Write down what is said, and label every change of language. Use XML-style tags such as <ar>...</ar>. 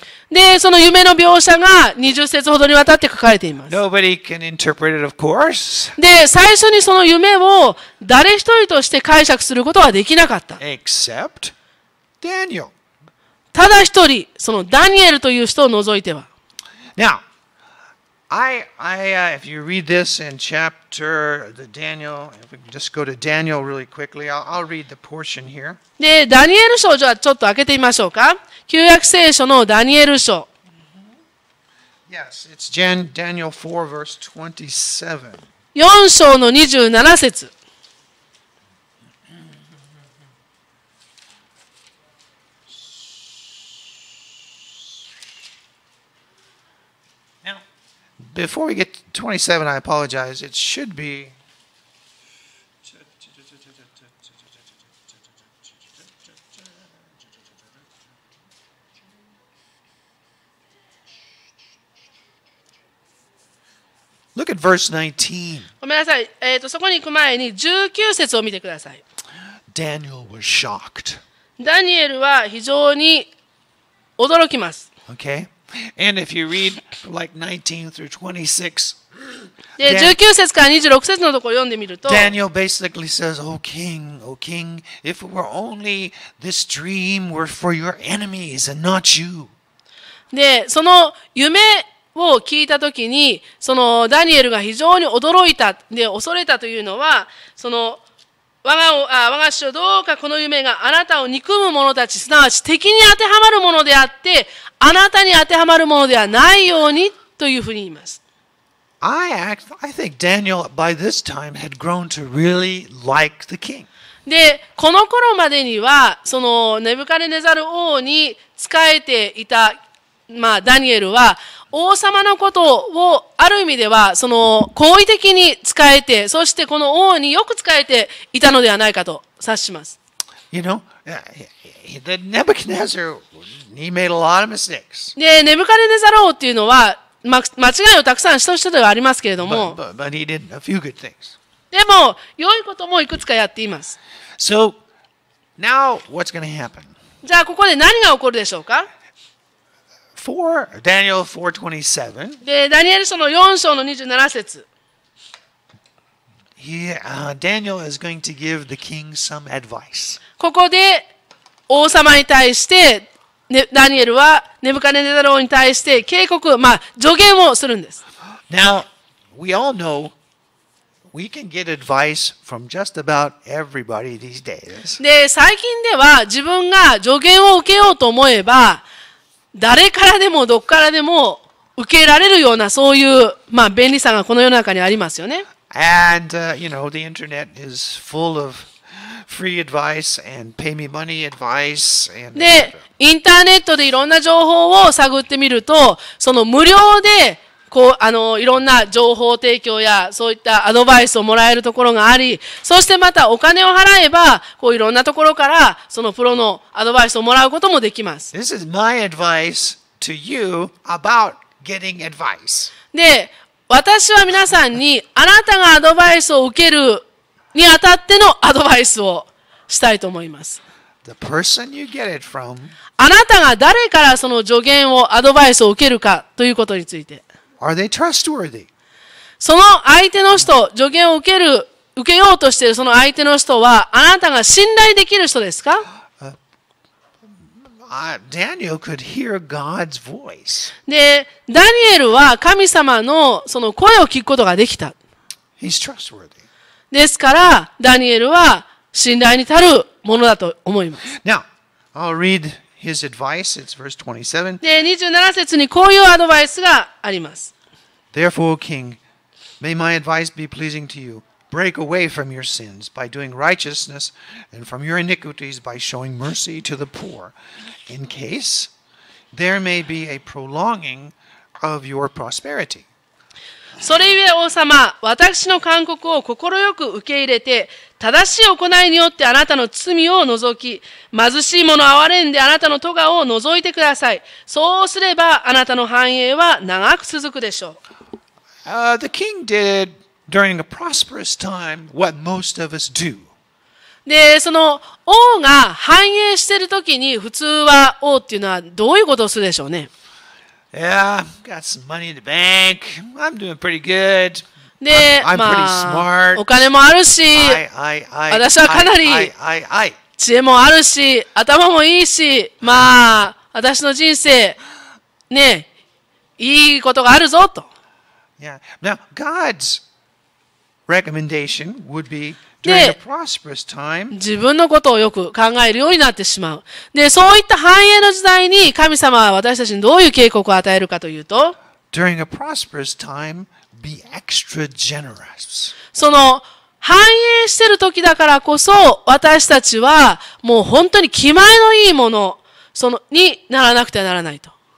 <ja>で、その夢の描写が20節ほどにわたって書かれています。</ja> <en>Nobody can interpret it, of course.</en> <ja>で、最初にその夢を誰一人として解釈することはできなかった、</ja> <en>Except Daniel.</en> <ja>ただ一人、そのダニエルという人を除いては。</ja> <en>Now, I, if you read this in chapter, the Daniel, if we can just go to Daniel really quickly, I'll read the portion here.</en> <ja>で、ダニエル書をじゃあちょっと開けてみましょうか。旧約聖書のダニエル書。</ja> <en>Mm-hmm. Yes, it's Daniel 4, verse 27.</en> <ja>4章の27節。</ja> <en>Before we get to 27, I apologize. It should be. Look at verse</en> <ja>19. ごめんなさい。そこに行く前に19節を見てください。</ja> <en>Daniel was shocked.</en> <ja>ダニエルは非常に驚きます。</ja> <en>Okay. And if you read like 19 through 26,</en> <ja>で、19節から26節のところを読んでみると、</ja> <en>Daniel basically says, O king, if it were only this dream were for your enemies and not you.</en> <ja>で、その夢を聞いたときに、そのダニエルが非常に驚いた、で、恐れたというのは、その我が主よ、どうかこの夢があなたを憎む者たち、すなわち敵に当てはまるものであって、あなたに当てはまるものではないようにというふうに言います。</ja> <en>I think Daniel by this time had grown to really like the king.</en> <ja>で、この頃までにはそのネブカデネザル王に仕えていた、まあ、ダニエルは王様のことをある意味ではその好意的に仕えて、そしてこの王によく仕えていたのではないかと察します。</ja> <en>You know, the Nebuchadnezzar. He made a lot of mistakes.</en> <ja>で、ネブカデネザロウっていうのは、間違いをたくさんした人ではありますけれども、</ja> <en>but he did a few good things.</en> <ja>でも、良いこともいくつかやっています。</ja> <en>So, now what's gonna happen?</en> <ja>じゃあ、ここで何が起こるでしょうか</ja> <en>Daniel 4:27.</en> <ja>で、ダニエル書の4章の27節。</ja> <en>Daniel is going to give the king some advice.</en> <ja>ここで、王様に対して、ダニエルはネブカデネザル王に対して警告、まあ、助言をするんです。</ja> <en>Now, we all know we can get advice from just about everybody these days.</en> <ja>で、最近では自分が助言を受けようと思えば、誰からでもどこからでも受けられるような、そういう、まあ、便利さがこの世の中にありますよね。</ja> <en>And, you know, the internet is full of free advice and pay me money advice and</en> <ja>で、インターネットでいろんな情報を探ってみると、その無料で、こう、いろんな情報提供や、そういったアドバイスをもらえるところがあり、そしてまたお金を払えば、こういろんなところから、そのプロのアドバイスをもらうこともできます。</ja> <en>This is my advice to you about getting advice.</en> <ja>で、私は皆さんに、あなたがアドバイスを受けるにあたってのアドバイスをしたいと思います。</ja> <en>The person you get it from,</en> <ja>あなたが誰からその助言をアドバイスを受けるかということについて、</ja> <en>Are they trustworthy?</en> <ja>その相手の人、助言を受けようとしているその相手の人はあなたが信頼できる人ですか？</ja> <en>Daniel could hear God's voice.</en> <ja>で、ダニエルは神様のその声を聞くことができた。</ja> <en>He's trustworthy.</en> <ja>ですから、ダニエルは信頼に足るものだと思います。</ja> <en>Now, I'll read his advice. It's verse</en> <ja>27. で、27節にこういうアドバイスがあります。</ja> <en>Therefore, King, may my advice be pleasing to you. Break away from your sins by doing righteousness and from your iniquities by showing mercy to the poor, in case there may be a prolonging of your prosperity.</en> <ja>それゆえ王様、私の勧告を快く受け入れて、正しい行いによってあなたの罪を除き、貧しい者を憐れんであなたの咎を除いてください。そうすればあなたの繁栄は長く続くでしょう。</ja> <en>The king did during a prosperous time what most of us do.</en> <ja>で、その王が繁栄しているときに、普通は王っていうのはどういうことをするでしょうね。</ja> <en>Yeah, got some money in the bank. I'm doing pretty good.</en> <ja>で、</ja> <en>I'm pretty smart.</en> <ja>お金もあるし、私はかなり知恵もあるし、頭もいいし、まあ、私の人生、ね、いいことがあるぞと。</ja> <en>Yeah. Now, God's recommendation would be during a prosperous time.</en> <ja>自分のことをよく考えるようになってしまう。で、そういった繁栄の時代に神様は私たちにどういう警告を与えるかというと、</ja> <en>during a prosperous time, be extra generous.</en> <ja>その繁栄してる時だからこそ、私たちはもう本当に気前のいいものそのにならなくてはならないと。</ja>